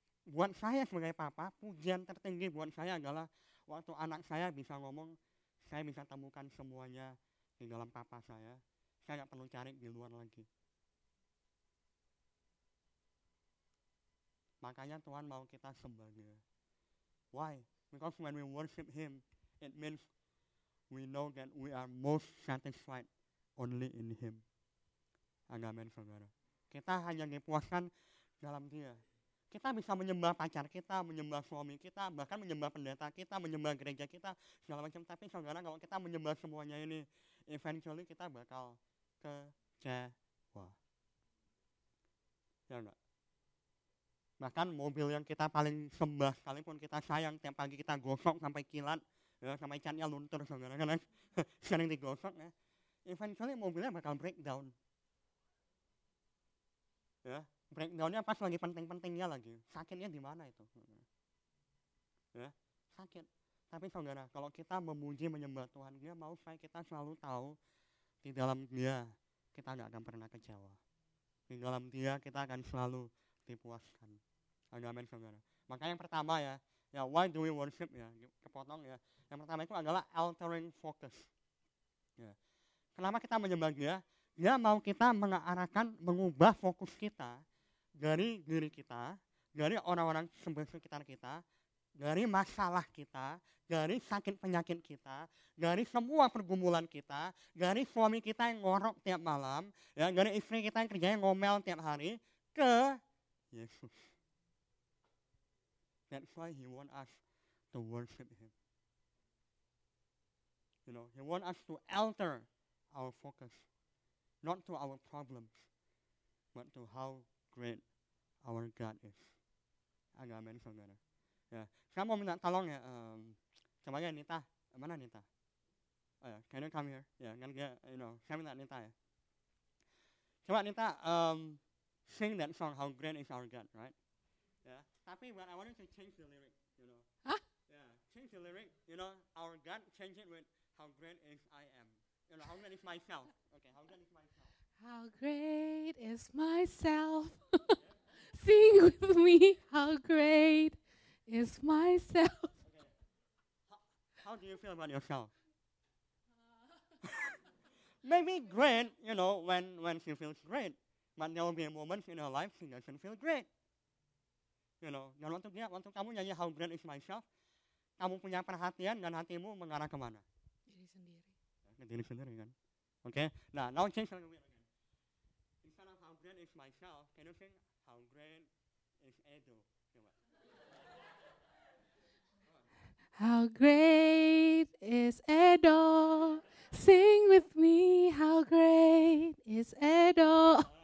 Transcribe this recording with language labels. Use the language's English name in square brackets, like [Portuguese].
[Indonesian] Buat saya sebagai papa, pujian tertinggi buat saya adalah waktu anak saya bisa ngomong, saya bisa temukan semuanya di dalam papa saya. Saya gak perlu cari di luar lagi. Makanya Tuhan mau kita sembahnya. [English] Why? Because when we worship Him, it means we know that we are most satisfied only in Him. [Indonesian] Amen, saudara. Kita hanya dipuaskan dalam Dia. Kita bisa menyembah pacar kita, menyembah suami kita, bahkan menyembah pendeta kita, menyembah gereja kita, segala macam. Tapi saudara, kalau kita menyembah semuanya ini, eventually kita bakal kecewa. Ya enggak? Bahkan mobil yang kita paling sembah, sekalipun kita sayang, tiap pagi kita gosok sampai kilat, ya, sampai catnya luntur, saudara, karena sering digosok, ya. Eventually mobilnya bakal breakdown. Ya. Breakdownnya pas lagi penting-pentingnya lagi. Sakitnya di mana itu? Ya, sakit. Tapi saudara, kalau kita memuji menyembah Tuhan, Dia mau supaya kita selalu tahu di dalam Dia kita tidak akan pernah kecewa. Di dalam Dia kita akan selalu dipuaskan. Amin, saudara. Maka yang pertama ya, ya [English] why do we worship [Indonesian] ya? Kepotong ya. Yang pertama itu adalah altering focus. Ya. Kenapa kita menyembah Dia? Dia mau kita mengarahkan, mengubah fokus kita dari diri kita, dari orang-orang sekitar kita, dari masalah kita, dari sakit penyakit kita, dari semua pergumulan kita, dari suami kita yang ngorok tiap malam, ya, dari istri kita yang kerjanya ngomel tiap hari, ke Yesus. [English] That's why He want us to worship Him. You know, He want us to alter our focus, not to our problems, but to how great our God is. [Indonesian] Amen, saudara. Ya, saya mau minta tolong ya, coba Nita, mana Nita? Oh ya, [English] can you come here? [Indonesian] Ya, kan dia, [English] you know, [Indonesian] saya minta Nita ya. [English] Coba Nita, sing that song, How Great Is Our God, right? [Indonesian] Ya, tapi [English] but I wanted to change the lyric, you know. Hah? Ya, change the lyric, you know, our God, change it with How Great Is I Am. You know, how great is myself. Okay, how great is myself. How great is myself? Sing with me. How great is myself? Okay. How do you feel about yourself? Maybe great, you know, when she feels great. But there will be a moment in her life she doesn't feel great. You know, [Indonesian] dan waktu dia, waktu kamu nyanyi How Great Is Myself, kamu punya perhatian dan hatimu mengarah kemana? Diri sendiri. Ya, diri sendiri kan? Okay. [English] Nah, now change the lyrics. How great is myself? Can you sing How Great is Edo? How great is Edo? Sing with me, how great is Edo?